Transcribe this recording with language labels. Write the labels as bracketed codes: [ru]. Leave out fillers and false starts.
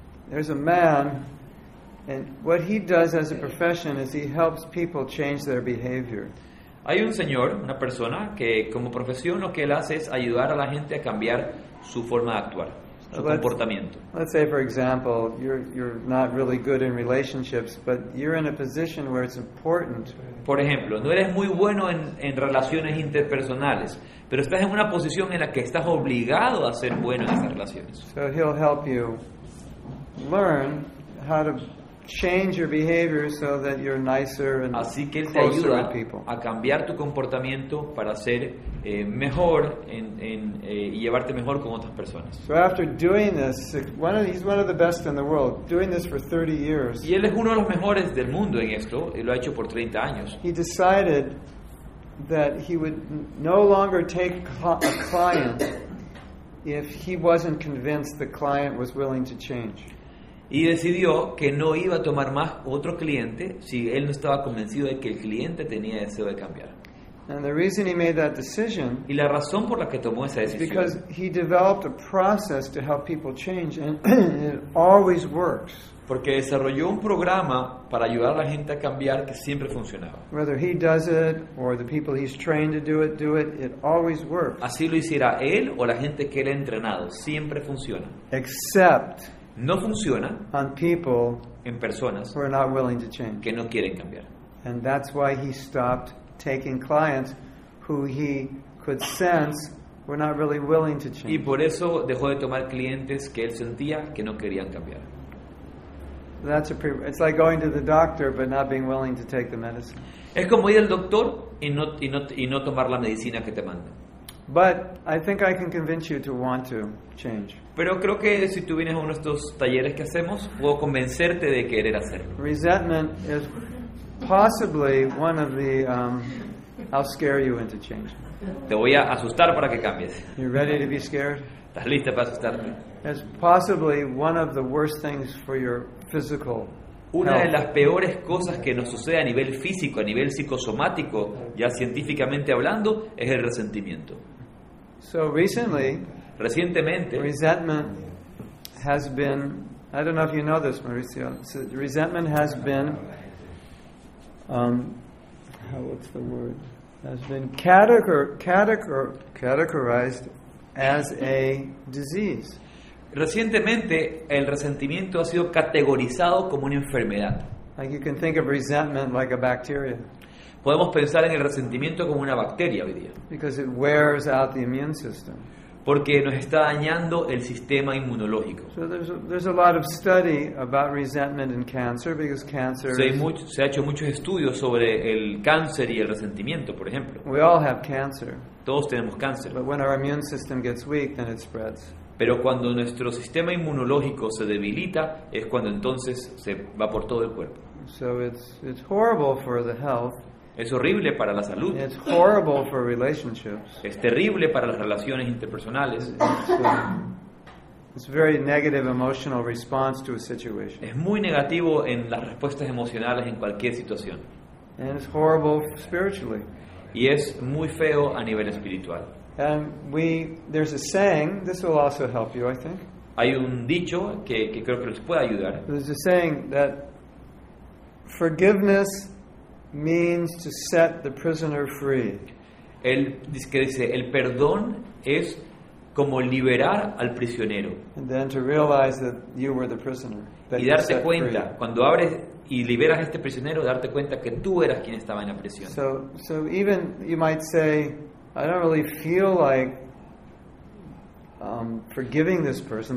[en] There's a man, and what he does as a profession is he helps people change their behavior. [es] Hay un señor, una persona que como profesión lo que él hace es ayudar a la gente a cambiar su forma de actuar, su comportamiento. [en] Let's say, for example, you're not really good in relationships, but you're in a position where it's important. [es] Por ejemplo, no eres muy bueno en relaciones interpersonales, pero estás en una posición en la que estás obligado a ser bueno en esas relaciones. [en] So he'll help you learn how to change your behavior so that you're nicer and closer with people. [es] Así que él te ayuda a cambiar tu comportamiento para ser mejor y llevarte mejor con otras personas. [en] So after doing this, he's one of the best in the world, doing this for 30 years. [es] Y él es uno de los mejores del mundo en esto, y lo ha hecho por 30 años. [en] He decided that he would no longer take a client if he wasn't convinced the client was willing to change. [es] Y decidió que no iba a tomar más otro cliente si él no estaba convencido de que el cliente tenía deseo de cambiar. [en] And the reason he made that decision, [es] y la razón por la que tomó esa decisión, [en] is because he developed a process to help people change, and it always works. [es] Porque desarrolló un programa para ayudar a la gente a cambiar que siempre funcionaba. [en] Whether he does it or the people he's trained to do it, it always works. [es] Así lo hiciera él o la gente que él ha entrenado, siempre funciona. [en] Except [es] no funciona [en] on people [es] en personas [en] who are not willing to change, [es] que no quieren cambiar. [en] And that's why he stopped taking clients who he could sense We're not really willing to change. [es] Y por eso dejó de tomar clientes que él sentía que no querían cambiar. [en] That's a it's like going to the doctor but not being willing to take the medicine. [es] Es como ir al doctor y no tomar la medicina que te manda. [en] But I think I can convince you to want to change. [es] Pero creo que si tú vienes a uno de estos talleres que hacemos, puedo convencerte de querer hacerlo. [en] Resentment is possibly one of the I'll scare you into change. [es] Te voy a asustar para que cambies. [en] You ready to be scared? [es] ¿Estás lista para asustarte? [en] It's possibly one of the worst things for your physical. [es] Una de las peores cosas que nos sucede a nivel físico, a nivel psicosomático, ya científicamente hablando, es el resentimiento. [en] So recently, [es] recientemente, [en] resentment has been, I don't know if you know this, Mauricio, so resentment has been, has been categorized as a disease. [es] Recientemente, el resentimiento ha sido categorizado como una enfermedad. [en] Like you can think of resentment like a bacteria. [es] Podemos pensar en el resentimiento como una bacteria hoy día. [en] Because it wears out the immune system. [es] Porque nos está dañando el sistema inmunológico. [en] So there's a lot of study about resentment in cancer because cancer. [es] Se ha hecho muchos estudios sobre el cáncer y el resentimiento, por ejemplo. [en] We all have cancer. [es] Todos tenemos cáncer. [en] But when our immune system gets weak, then it spreads. [es] Pero cuando nuestro sistema inmunológico se debilita, es cuando entonces se va por todo el cuerpo. [en] So it's horrible for the health. [es] Es horrible para la salud. [en] It's horrible for relationships. [es] Es terrible para las relaciones interpersonales. [en] It's a very negative emotional response to a situation. [es] Es muy negativo en las respuestas emocionales en cualquier situación. [en] And it's horrible spiritually. [es] Y es muy feo a nivel espiritual. [en] And there's a saying. This will also help you, I think. [es] Hay un dicho que creo que les puede ayudar. [en] There's a saying that forgiveness means to set the prisoner free. [es] Él dice el perdón es como liberar al prisionero. [en] And then to realize that you were the prisoner. [es] Y darte cuenta cuando abres y liberas a este prisionero, darte cuenta que tú eras quien estaba en la prisión. [en] So even you might say. I don't really feel like forgiving this person.